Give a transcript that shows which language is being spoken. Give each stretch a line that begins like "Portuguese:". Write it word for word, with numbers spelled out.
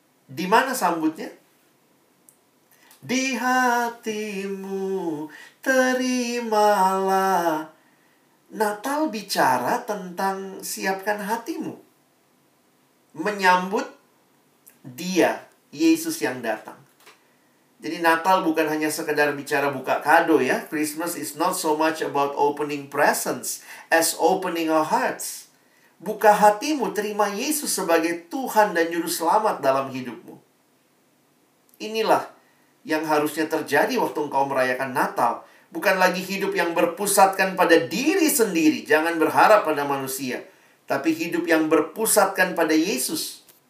Indonesian: Di mana sambutnya? Di hatimu, terimalah. Natal bicara tentang siapkan hatimu, menyambut Dia, Yesus yang datang. Jadi Natal bukan hanya sekedar bicara buka kado ya.
English: Christmas is not so much about opening presents as opening our hearts.
Indonesian: Buka hatimu, terima Yesus sebagai Tuhan dan Juru Selamat dalam hidupmu. Inilah yang harusnya terjadi waktu engkau merayakan Natal. Bukan lagi hidup yang berpusatkan pada diri sendiri. Jangan berharap pada manusia. Tapi hidup yang berpusatkan pada Yesus.